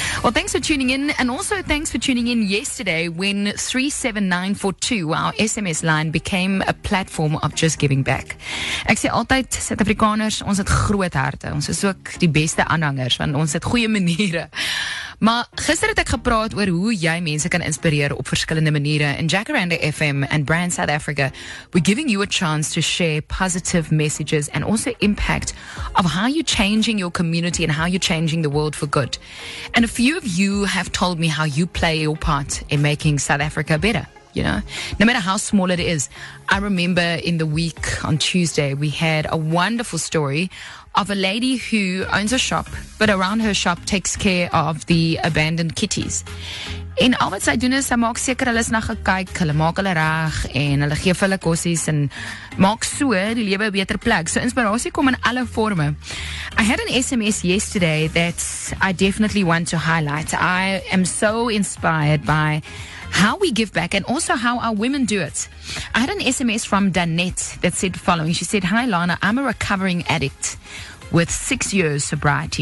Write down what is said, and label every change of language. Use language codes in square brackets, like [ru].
[en] Well, thanks for tuning in, and also thanks for tuning in yesterday when 37942, our SMS line, became a platform of just giving back. [af] Ek sê altyd, Suid-Afrikaners, ons het groot harte, ons is ook die beste aanhangers, want ons het goeie maniere. Maar gister het ek gepraat oor hoe jy mense kan inspireer op verskillende maniere. [en] In Jacaranda FM and Brand South Africa, we're giving you a chance to share positive messages and also impact of how you're changing your community and how you're changing the world for good. And a few of you have told me how you play your part in making South Africa better. You know, no matter how small it is, I remember in the week on Tuesday, we had a wonderful story of a lady who owns a shop, but around her shop takes care of the abandoned kitties. [af] En al wat sy doen is, sy maak seker hulle is na gekyk, hulle maak hulle reg en hulle gee hulle kossies en maak so die lewe 'n beter plek. So inspirasie kom in alle forme. [en] I had an SMS yesterday that I definitely want to highlight. I am so inspired by how we give back and also how our women do it. I had an SMS from Danette that said the following. She said, "Hi Lana, I'm a recovering addict with 6 years sobriety."